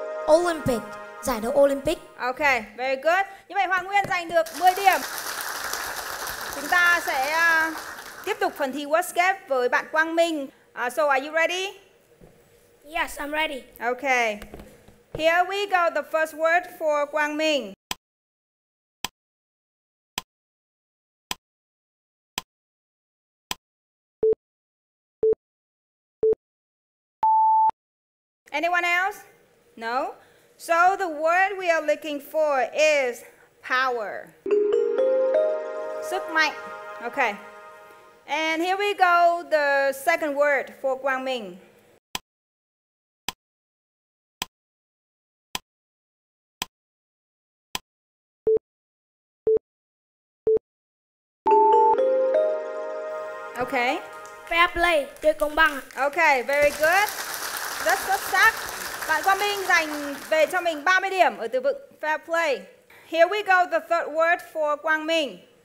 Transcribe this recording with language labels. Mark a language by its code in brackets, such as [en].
[vi] Olympic, giải đấu Olympic. [en] Okay, very good. [vi] Như vậy Hoàng Nguyên giành được 10 điểm. Chúng ta sẽ tiếp tục phần thi WordScape với bạn Quang Minh. [en] So are you ready? Yes, I'm ready. Okay. Here we go, the first word for Quang Minh. Anyone else? No? So the word we are looking for is power. [vi] Sức mạnh. [en] Okay. And here we go, the second word for Quang Minh. Okay. [vi] Fair play, chơi công bằng. [en] Okay, very good. [vi] Rất xuất sắc. Bạn Quang Minh dành về cho mình 30 điểm ở từ vựng fair play. [en] Here we go, the third word for Quang Minh.